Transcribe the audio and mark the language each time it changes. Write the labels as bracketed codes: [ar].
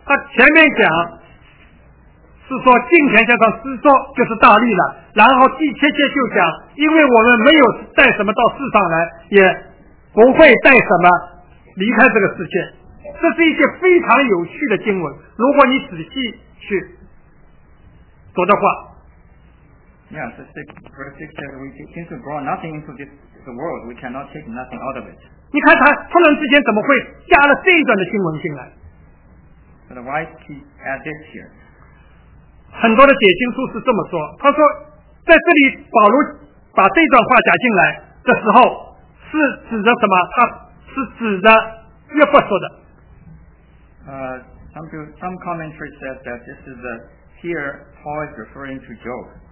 [zh] 他前面讲是说金钱加上施作就是大力了，然后第七节就讲，因为我们没有带什么到世上来，也不会带什么离开这个世界。这是一些非常有趣的经文，如果你仔细去读的话。 [en] Yeah, the sixth verse six says, "We since we brought nothing into the world, we cannot take nothing out of it." [zh] 你看他突然之间怎么会加了这一段的经文进来 [en] ？But why he add this here? [zh] 很多的解经书是这么说，他说在这里保罗把这段话讲进来的时候是指着什么？他是指的约珀说的。 [en] Some commentary says that this is the here Paul is referring to Job.